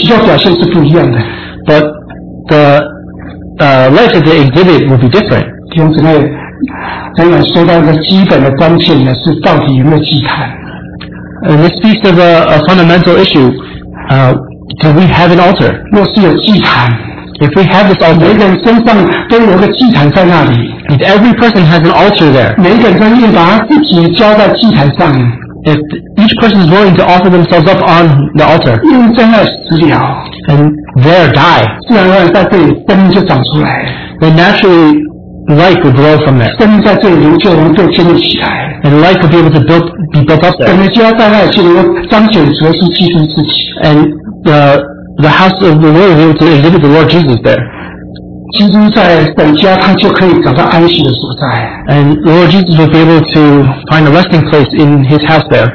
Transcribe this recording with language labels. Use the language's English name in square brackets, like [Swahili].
[English] But the life that they exhibit will be different. [Chinese] 弟兄姊妹，刚才说到一个基本的关键呢，是到底有没有祭坛。 [English] And this speaks of a fundamental issue. Do we have an altar? [Chinese] 若是有祭坛。 [English] If we have this altar, [Chinese] 每个人身上都有个祭坛在那里。 [English] If every person has an altar there, [Chinese] 每个人都愿意把自己交在祭坛上。 [English] If each person is willing to offer themselves up on the altar, [Chinese] 因为在那死了。 [English] And there die, [Chinese] 自然而然在这里生命就长出来。 [English] Then naturally, life would grow from there. [Chinese] 生命在这里流就能够建立起来。 [English] And life would be able to build, be built up there. [Chinese] 我们就要在那里去能够彰显主耶稣基督自己。 [English] And the house of the Lord will be able to exhibit the Lord Jesus there. [Chinese] 基督在神家，他就可以找到安息的所在。 [English] And Lord Jesus will be able to find a resting place in His house there.